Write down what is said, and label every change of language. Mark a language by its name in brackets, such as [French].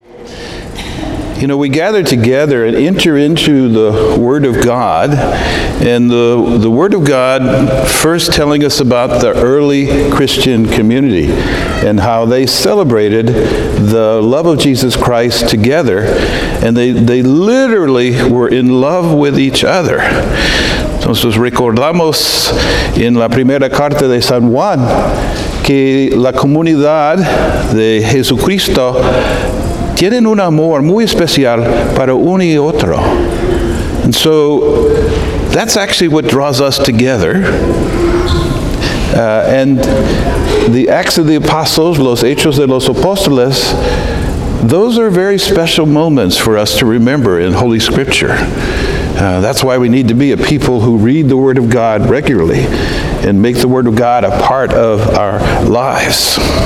[English] You know, we gather together and enter into the Word of God, and the Word of God first telling us about the early Christian community and how they celebrated the love of Jesus Christ together, and they literally were in love with each other. [Spanish] Entonces recordamos en la primera carta de San Juan que la comunidad de Jesucristo tienen un amor muy especial para uno y otro. [English] And so that's actually what draws us together. And the Acts of the Apostles, [Spanish] los Hechos de los Apóstoles, [English] those are very special moments for us to remember in Holy Scripture. That's why we need to be a people who read the Word of God regularly and make the Word of God a part of our lives.